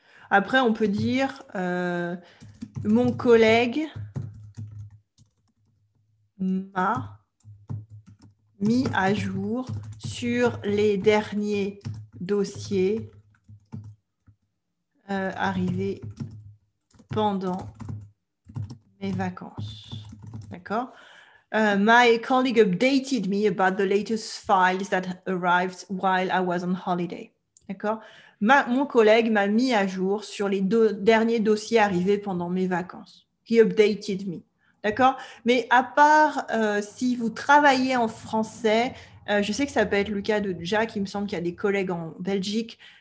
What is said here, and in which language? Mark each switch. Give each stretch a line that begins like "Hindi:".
French: Après, on peut dire mon collègue m'a mis à jour sur les derniers dossiers arrivés pendant mes vacances. D'accord ?
English: My colleague updated me about the latest files that arrived while I was on holiday.
French: D'accord ? Mon collègue m'a mis à jour sur les derniers dossiers arrivés pendant mes vacances.
English: He updated me.
French: D'accord ? Mais à part si vous travaillez en français, je sais que ça peut être le cas de Jack, il me semble qu'il y a des collègues en Belgique.